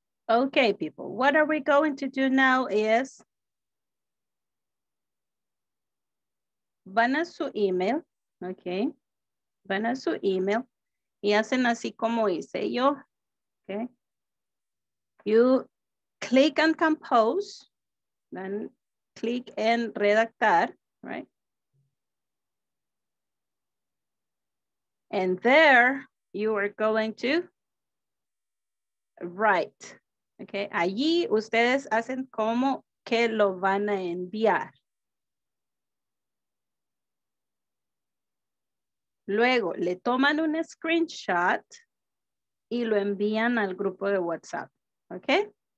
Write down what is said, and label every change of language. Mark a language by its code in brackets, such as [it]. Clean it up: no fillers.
[en] Okay, people, what are we going to do now is [es] van a su email, [en] okay? [es] Van a su email y hacen así como hice yo, okay? [en] You click and compose, then click [es] en redactar, [en] right? And there you are going to write, okay? [es] Allí ustedes hacen como que lo van a enviar. Luego le toman un screenshot y lo envían al grupo de WhatsApp, okay?